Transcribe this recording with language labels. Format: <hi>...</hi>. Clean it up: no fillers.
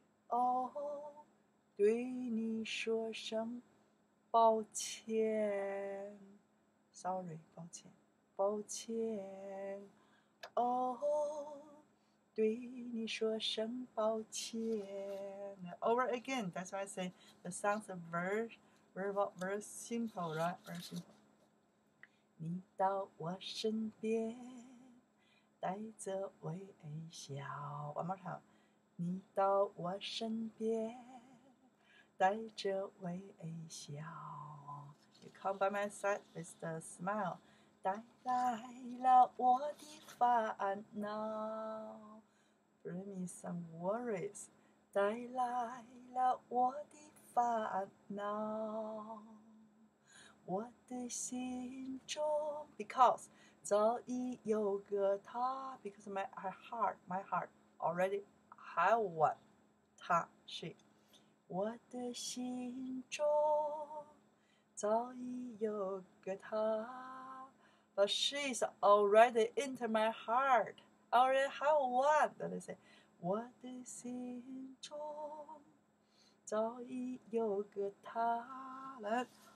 <en>Oh,</en> <zh>对你说声抱歉</zh> <en>Sorry, 抱歉抱歉 Oh, 对你说声抱歉 Over again, that's why I say the sounds are very simple, right? Very simple.</en> <zh>你到我身边带着微笑。</zh> <en>One more time，</en> <zh>你到我身边，带着微笑。</zh> <en>You come by my side with a smile，</en> <zh>带来了我的烦恼。</zh> <en>Bring me some worries，</en> <zh>带来了我的烦恼。</zh> <en>我的心中 ，because 早已有个他 ，because my heart already have one， 他 she。</en> <zh>我的心中早已有个他</zh> <en>，but she's already into my heart， already have one。 Let me say，</en> <zh>我的心中早已有个他。来。</zh>